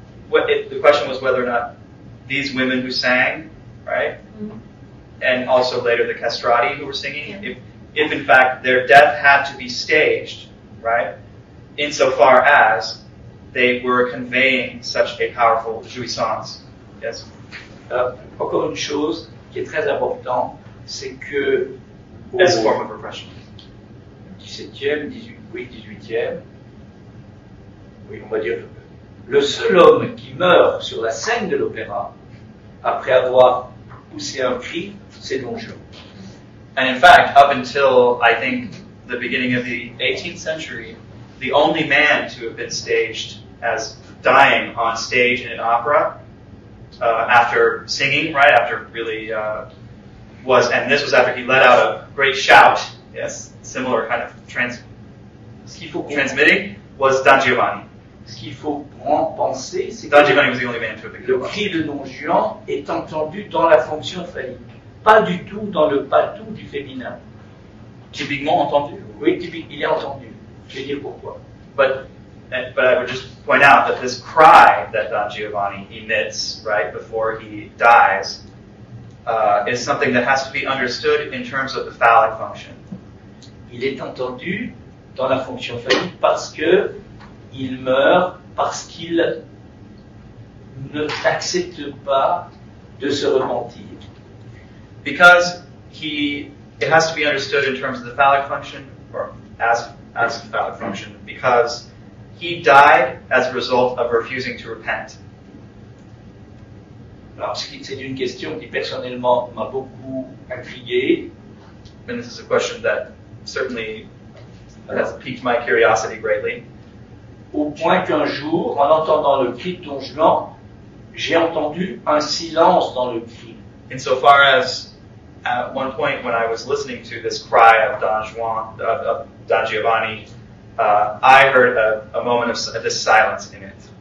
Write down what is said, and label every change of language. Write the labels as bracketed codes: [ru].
[en] What if the question was whether or not these women who sang, right, and also later the castrati who were singing, if in fact their death had to be staged, right, insofar as they were conveying such a powerful jouissance. Yes. [fr] Encore une chose qui est très important, c'est que [en] as a form of repression. [fr] 18e, oui, on va dire, le seul homme qui meurt sur la scène de l'opéra après avoir poussé un cri, c'est Don Juan. [en] And in fact, up until I think the beginning of the 18th century, the only man to have been staged as dying on stage in an opera after singing, right, after really was, and this was after he let out a great shout, yes, similar kind of transmitting, was Don Giovanni. [fr] Ce qu'il faut prendre, penser, c'est [en] Don Giovanni was the only man to have [fr] le cri de Don Juan est entendu dans la fonction phallique, pas du tout dans le patou du féminin. Typiquement entendu. Oui, typiquement, il est entendu. Je vais dire pourquoi. [en] But I would just point out that this cry that Don Giovanni emits right before he dies is something that has to be understood in terms of the phallic function. [fr] Il est entendu dans la fonction phallique parce que il meurt parce qu'il ne t'accepte pas de se repentir. [en] Because it has to be understood in terms of the phallic function, or as the phallic function, because he died as a result of refusing to repent. [fr] Alors, c'est une question qui personnellement m'a beaucoup intrigué. [en] And this is a question that certainly has piqued my curiosity greatly. [fr] Au point qu'un jour, en entendant le cri de Don Juan, j'ai entendu un silence dans le cri. [en] Insofar as, at one point when I was listening to this cry of Don Juan, of Don Giovanni, I heard a moment of this silence in it.